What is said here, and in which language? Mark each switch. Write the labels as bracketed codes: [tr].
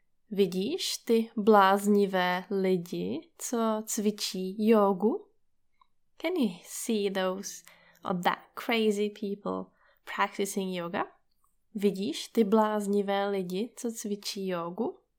[cs] Vidíš ty bláznivé lidi, co cvičí jogu? [en] Can you see those or that crazy people practicing yoga? [cs] Vidíš ty bláznivé lidi, co cvičí jogu?